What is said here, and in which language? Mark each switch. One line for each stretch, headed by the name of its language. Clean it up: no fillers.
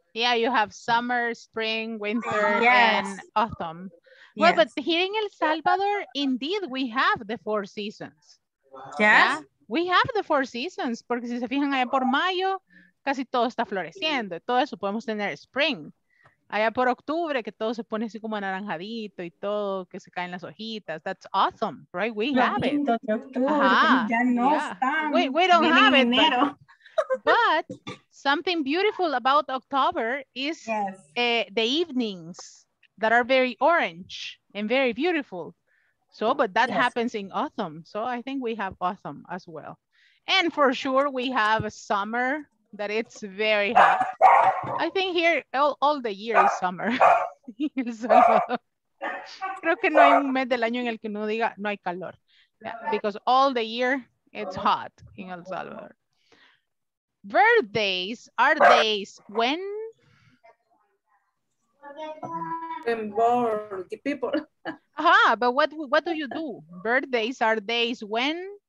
English: Yeah, you have summer, spring, winter, and autumn. Yes. Well, but here in El Salvador, indeed, we have the four seasons. Wow. Yes. Yeah? We have the four seasons.
Spanish: Porque si se fijan allá por mayo, casi todo está floreciendo. Todo eso podemos tener spring. Allá por octubre, que todo se pone así como anaranjadito y todo, que se caen las hojitas.
English: That's awesome, right? We have it.
Spanish: Ya no están.
English: We don't have it. But something beautiful about October is the evenings that are very orange and very beautiful. So, but that happens in autumn. So I think we have autumn as well. And for sure, we have a summer that it's very hot. I think here all the year is summer.
Spanish: Creo que no hay un mes del año en el que no diga no hay calor.
English: Yeah, because all the year it's hot in El Salvador. Birthdays are days when? When born the people. Aha, uh-huh, but what do you do? Birthdays are days when?